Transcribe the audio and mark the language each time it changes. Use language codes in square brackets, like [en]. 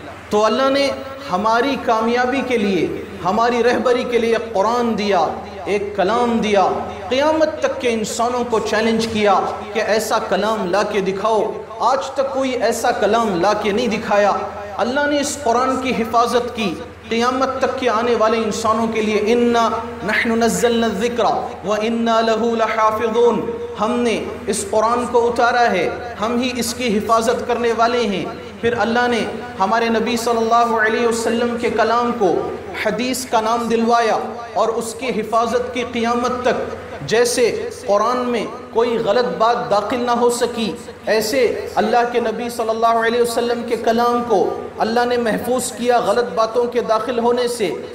[ur] تو اللہ نے ہماری کامیابی کے لیے, ہماری رہبری کے لیے قرآن دیا, ایک کلام دیا. قیامت تک کے انسانوں کو چیلنج کیا کہ ایسا کلام لا کے دکھاؤ. آج تک کوئی ایسا کلام لا کے نہیں دکھایا. اللہ نے اس قرآن کی حفاظت کی قیامت تک کے آنے والے انسانوں کے لیے. [ar] انا نحن نزلنا الذکر وانا له لحافظون. [ur] ہم نے اس قرآن کو اتارا ہے, ہم ہی اس کی حفاظت کرنے والے ہیں. پھر اللہ نے ہمارے نبی صلی اللہ علیہ وسلم کے کلام کو حدیث کا نام دلوایا اور اس کی حفاظت کی قیامت تک جیسے قرآن میں کوئی غلط بات داخل نہ ہو سکی، ایسے اللہ کے نبی صلی اللہ علیہ وسلم کے کلام کو اللہ نے محفوظ کیا غلط باتوں کے داخل ہونے سے۔